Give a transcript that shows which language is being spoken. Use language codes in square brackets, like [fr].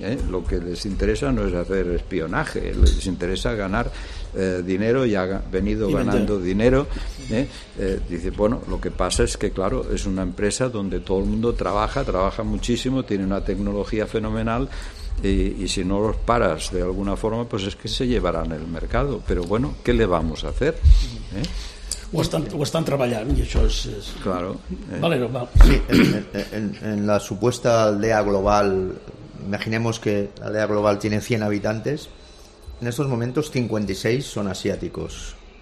[es] Lo que les interesa no es hacer espionaje, les interesa ganar dinero, y ha venido ganando dinero. Dice, bueno, lo que pasa es que, claro, es una empresa donde todo el mundo trabaja muchísimo, tiene una tecnología fenomenal, y si no los paras de alguna forma, pues es que se llevarán el mercado. Pero bueno, ¿qué le vamos a hacer? [ca] Ho estan treballant, i això és... [es] Claro. Valero, va. Sí, en la supuesta aldea global, imaginemos que la aldea global tiene 100 habitantes, en estos momentos 56 son asiáticos.